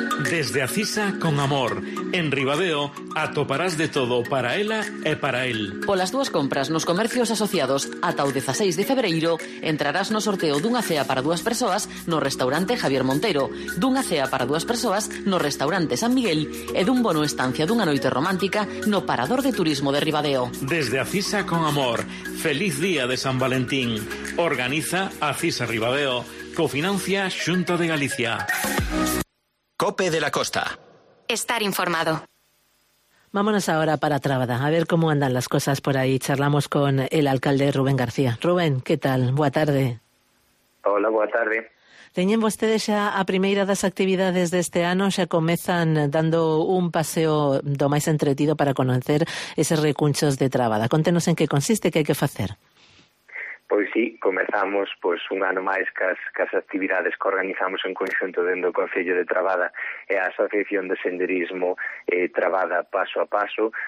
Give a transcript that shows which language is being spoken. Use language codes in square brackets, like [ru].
[gl] Desde Acisa con amor, en Ribadeo atoparás de todo para ela e para él. Polas túas compras nos comercios asociados ata o 16 de febreiro, entrarás no sorteo dunha cea para dúas persoas no restaurante Javier Montero, dunha cea para dúas persoas no restaurante San Miguel e dun bono estancia dunha noite romántica no parador de turismo de Ribadeo. Desde Acisa con amor, feliz día de San Valentín. Organiza Acisa Ribadeo, cofinancia Xunta de Galicia. [es] COPE de la Costa. Estar informado. Vámonos ahora para Trábada, a ver cómo andan las cosas por ahí. Charlamos con el alcalde Rubén García. Rubén, ¿qué tal? [gl] Boa tarde. Hola, boa tarde. Teñen vostedes xa a primeira das actividades deste ano, xa comezan dando un paseo do máis entretido para conocer eses recunchos de Trábada. Contenos en que consiste, que hai que facer. Pois sí, comezamos pois un ano máis cas actividades que organizamos en conxunto dentro do Concello de Trábada e a Asociación de Senderismo Trábada Paso a Paso.